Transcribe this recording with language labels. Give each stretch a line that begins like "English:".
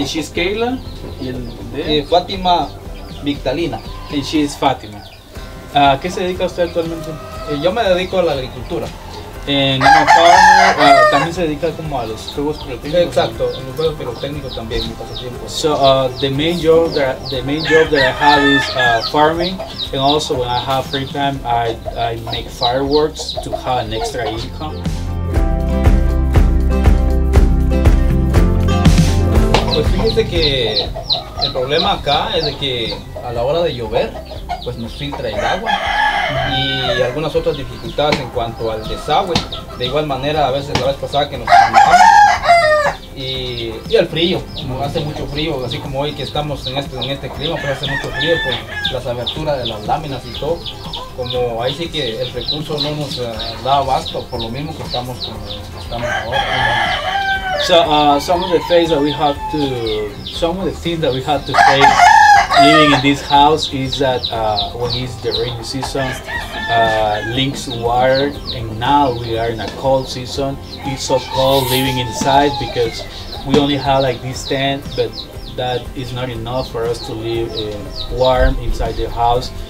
English: And she's
Spanish: Keila. ¿Y el de ella? Fátima Vitalina.
English: And she's
Spanish: Fátima. ¿A qué se dedica usted actualmente? Yo me dedico a la agricultura. En una farmer, también se dedica como a los juegos pirotécnicos. Exacto, en los juegos pirotécnicos también, mi pasatiempo.
English: So, the main job that I have is farming, and also when I have free time, I make fireworks to have an extra income.
Spanish: Pues fíjese que el problema acá es de que a la hora de llover, pues nos filtra el agua. Y algunas otras dificultades en cuanto al desagüe, de igual manera a veces la vez pasada que nos comunicamos y el frío, hace mucho frío, así como hoy que estamos en este clima, pero hace mucho frío con las aberturas de las láminas y todo, como ahí sí que el recurso no nos da abasto por lo mismo que estamos como estamos ahora.
English: So some of the things that we have to face living in this house is that when it's the rainy season, links water, and now we are in a cold season. It's so cold living inside because we only have like this tent, but that is not enough for us to live warm inside the house.